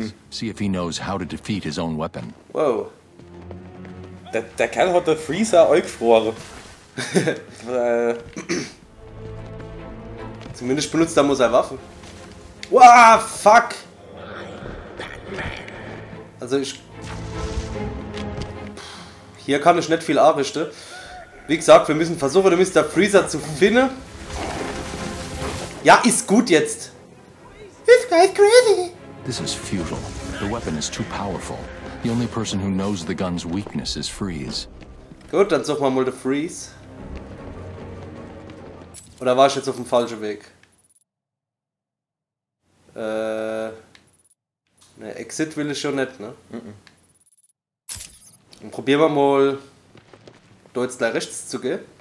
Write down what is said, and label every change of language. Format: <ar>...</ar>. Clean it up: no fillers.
<en>See if he knows how to defeat his own weapon. Wow.</en> <de>Der Kerl hat der Freezer eingefroren. Zumindest benutzt er mal seine Waffen. Wow, fuck! Also ich... Hier kann ich nicht viel anrichten. Wie gesagt, wir müssen versuchen, den Mr. Freezer zu finden. Ja, ist gut jetzt.</de> <en>This guy's crazy. This is futile. The weapon is too powerful. The only person who knows the gun's weakness is Freeze.</en> <de>Gut, dann suchen wir mal den Freeze. Oder war ich jetzt auf dem falschen Weg? Ne, Exit will ich schon nicht, ne? Mm-mm. Dann probieren wir mal, da jetzt gleich rechts zu gehen.</de>